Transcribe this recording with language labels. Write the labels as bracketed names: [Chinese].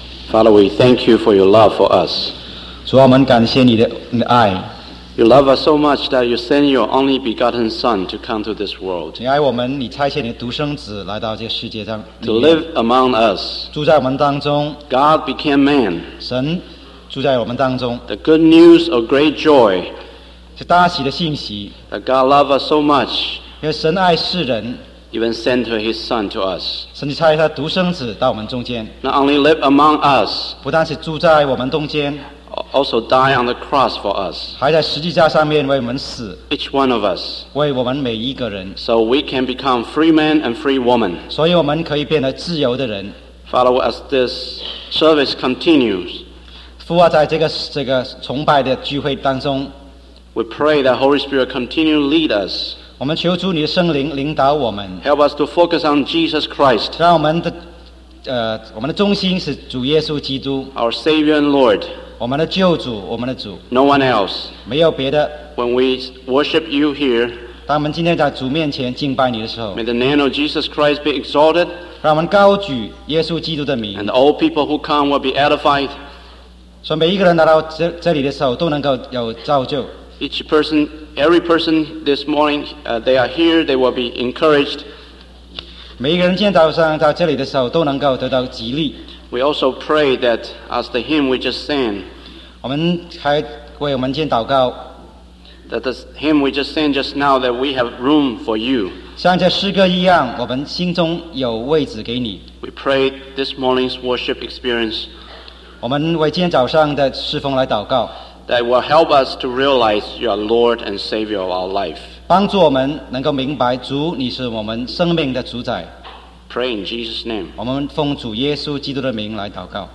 [English] Father, we thank you for your love for us. [Chinese] 主啊，我们感谢你的爱。 [English] You love us so much that you send your only begotten Son to come to this world. [Chinese] 你爱我们，你差遣你的独生子来到这世界上。 [English] To live among us. [Chinese] 住在我们当中。 [English] God became man. [Chinese] 神住在我们当中。 [English] The good news of great joy. [Chinese] 是大喜的信息。 [English] That God loves us so much. [Chinese] 因为神爱世人。 [English] Even sent his son to us. [Chinese] 神差派他独生子到我们中间。 [English] Not only live among us. [Chinese] 不但是住在我们中间。 [English] Also die on the cross for us. [Chinese] 还在十字架上面为我们死。 [English] Each one of us. [Chinese] 为我们每一个人。 [English] So we can become free men and free women. [Chinese] 所以我们可以变得自由的人。 [English] Follow as this service continues. [Chinese] 父啊，在这个崇拜的聚会当中。 [English] We pray that Holy Spirit continue to lead us. [Chinese] 我们求主你的圣灵领导我们 [English] Help us to focus on Jesus Christ [Chinese] 让我们的中心是主耶稣基督 [English] Our Savior and Lord [Chinese] 我们的救主我们的主 [English] No one else [Chinese] 没有别的 [English] When we worship you here [Chinese] 当我们今天在主面前敬拜你的时候 [English] May the name of Jesus Christ be exalted [Chinese] 让我们高举耶稣基督的名 [English] And all people who come will be edified [Chinese] 所以每一个人来到 这里的时候都能够有造就 [English] Every person this morning, they are here, they will be encouraged. [Chinese] 每一个人今天早上到这里的时候都能够得到激励。 [English] We also pray that as the hymn we just sang, [Chinese] 我们还为我们今天祷告 [English] that the hymn we just sang just now, that we have room for you. [Chinese] 像这诗歌一样，我们心中有位置给你。 [English] We pray this morning's worship experience. [Chinese] 我们为今天早上的侍奉来祷告。 [English] That will help us to realize you are Lord and Savior of our life. [Chinese] 帮助我们能够明白主，你是我们生命的主宰。 [English] Pray in Jesus' name. [Chinese] 我们奉主耶稣基督的名来祷告。